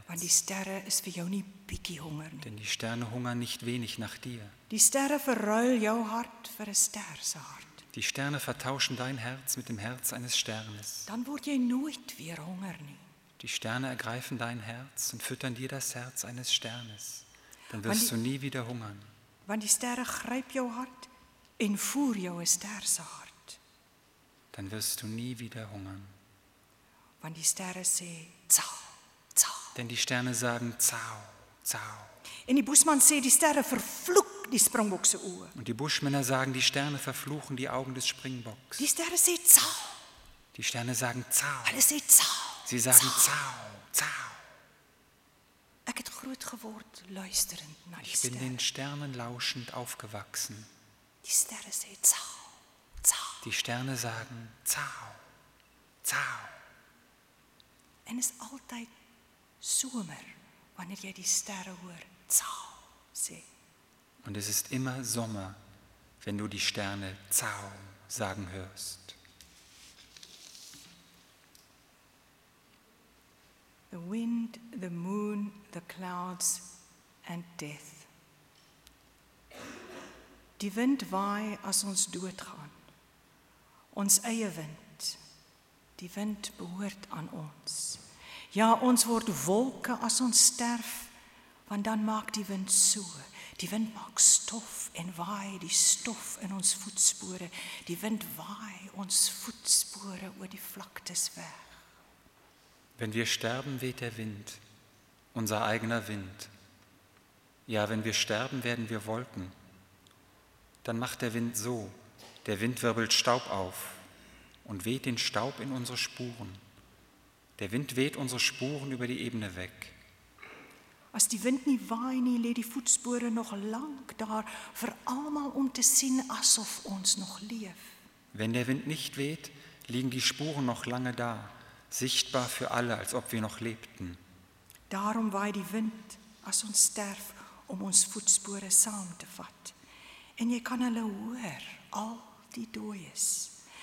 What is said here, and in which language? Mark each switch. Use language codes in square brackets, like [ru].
[af] Want die Sterre is vir jou nie bietjie honger nie. [de] Denn die Sterne hungern nicht wenig nach dir. [af] Die Sterre verruil jou hart vir 'n ster se hart. [de] Die Sterne vertauschen dein Herz mit dem Herz eines Sternes. [af] Dann word jy nooit weer honger nie. [de] Die Sterne ergreifen dein Herz und füttern dir das Herz eines Sternes. Dann wirst du nie wieder hungern. [af] Want die Sterre gryp jou hart en voer jou 'n ster se hart. [de] Dann wirst du nie wieder hungern. [af] Want die Sterre sê zau, zau. [de] Denn die Sterne sagen zau, zau. [af] En die Busmann sê die Sterre vervloek die Springbokse oë. [de] Und die Buschmänner sagen die Sterne verfluchen die Augen des Springbocks. [af] Die Sterre sê zau. [de] Die Sterne sagen zau. [af] Hulle sê zau. [de] Sie sagen zau, zau. [af] Ek het groot geword luisterend na die [de] Sterre. Ich bin den Sternen lauschend aufgewachsen. [af] Die Sterre sê zau, zau. [de] Die Sterne sagen zau, zau. [af] En is altyd somer wanneer jy die sterre hoor zau sê. [de] Und es ist immer Sommer, wenn du die Sterne zau sagen hörst. [en] The wind, the moon, the clouds and death. [af] Die wind waai as ons doodgaan. Ons eie wind. Die wind behoort aan ons. Ja, ons word wolke as ons sterf, want dan maak die wind so. Die wind maak stof en waai die stof in ons voetspore. Die wind waai ons voetspore oor die vlaktes weg. [de] Wenn wir sterben, weht der Wind, unser eigener Wind. Ja, wenn wir sterben, werden wir Wolken. Dann macht der Wind so, der Wind wirbelt Staub auf und weht den Staub in unsere Spuren. Der Wind weht unsere Spuren über die Ebene weg. [af] As die wind nie waai nie, lê die voetspore nog lank daar vir almal om te sien asof ons nog leef. [de] Wenn der Wind nicht weht, liegen die Spuren noch lange da, sichtbar für alle, als ob wir noch lebten. [af] Daarom waai die wind as ons sterf om ons voetspore saam te vat. En jy kan hulle hoor, al die dooies.